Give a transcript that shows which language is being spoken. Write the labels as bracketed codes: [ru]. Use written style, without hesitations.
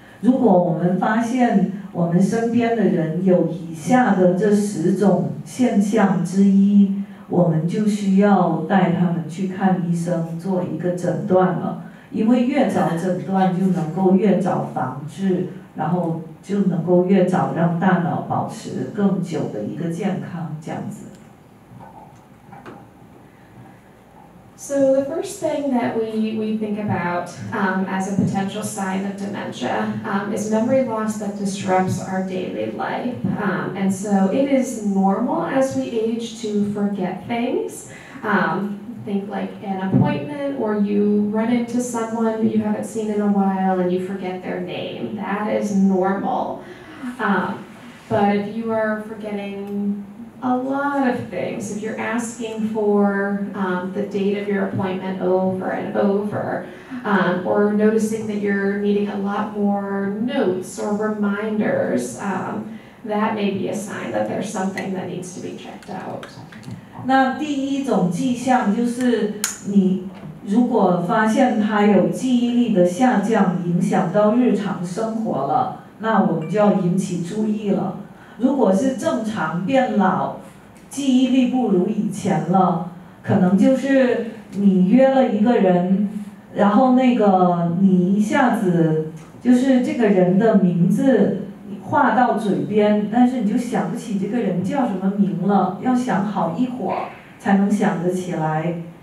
[zh] 如果我们发现我们身边的人有以下的这十种现象之一，我们就需要带他们去看医生做一个诊断了，因为越早诊断就能够越早防治，然后就能够越早让大脑保持更久的一个健康，这样子。 [en] So the first thing that we think about as a potential sign of dementia is memory loss that disrupts our daily life. And so it is normal as we age to forget things. Think like an appointment or you run into someone you haven't seen in a while and you forget their name. That is normal. But if you are forgetting a lot of things, if you're asking for the date of your appointment over and over, or noticing that you're needing a lot more notes or reminders, that may be a sign that there's something that needs to be checked out. [zh] 那第一种迹象就是你如果发现他有记忆力的下降影响到日常生活了，那我们就要引起注意了。如果是正常变老，记忆力不如以前了，可能就是你约了一个人，然后那个你一下子就是这个人的名字话到嘴边，但是你就想不起这个人叫什么名了，要想好一会儿才能想得起来。